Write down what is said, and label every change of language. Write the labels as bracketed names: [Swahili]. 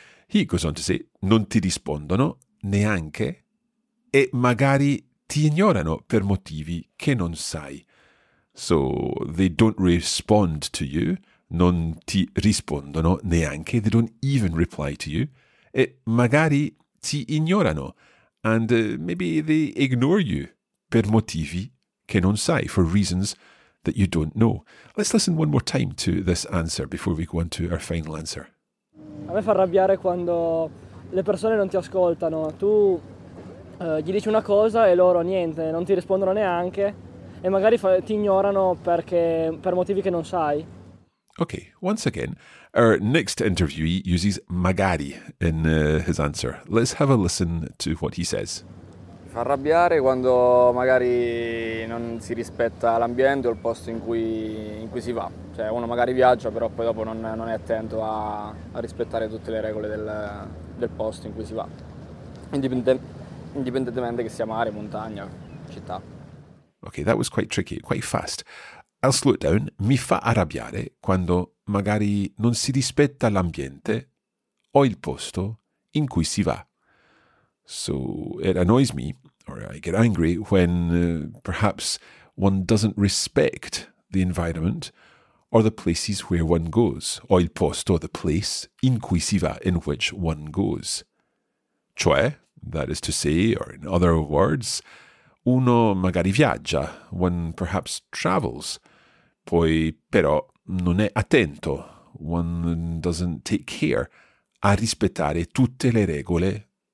[English] He goes on to say, [Italian] non ti rispondono neanche, e magari ti ignorano per motivi che non sai. [English] So they don't respond to you, [Italian] non ti rispondono neanche, [English] they don't even reply to you, [Italian] e magari ti ignorano, [English] and maybe they ignore you [Italian] per motivi che non sai, [English] for reasons that you don't know. Let's listen one more time to this answer before we go on to our final answer. [Italian] A me fa arrabbiare quando le persone non ti ascoltano. Tu gli dici una cosa e loro niente, non ti rispondono neanche e magari ti ignorano per motivi che non sai. [English] Ok, once again, our next interviewee uses magari in his answer. Let's have a listen to what he says. [Italian] Mi fa arrabbiare quando magari non si rispetta l'ambiente o il posto in cui si va. Cioè uno magari viaggia, però poi dopo non è attento a rispettare tutte le regole del posto in cui si va. Indipendentemente che sia mare, montagna, città. [English] Ok, that was quite tricky, quite fast. I'll slow it down. [Italian] Mi fa arrabbiare quando magari non si rispetta l'ambiente o il posto in cui si va. [English] So it annoys me, or I get angry, when perhaps one doesn't respect the environment or the places where one goes, [Italian] o il posto, [English] the place [Italian] in cui si va, [English] in which one goes. [Italian] Cioè, [English] that is to say, or in other words, [Italian] uno magari viaggia, [English] one perhaps travels, [Italian] poi però non è attento, [English] one doesn't take care [Italian] a rispettare tutte le regole,